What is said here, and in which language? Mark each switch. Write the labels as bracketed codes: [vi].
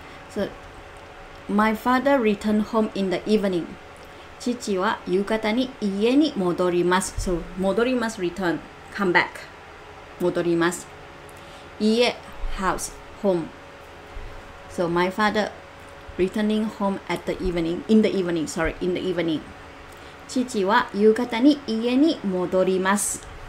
[en] So, my father returned home in the evening. [ja] 父は夕方に家に戻ります。 [en] So, 戻ります return. Come back. 戻ります。家 house, home. So, my father returning home at the evening, in the evening, sorry, in the evening. [ja] 父は夕方に家に戻ります。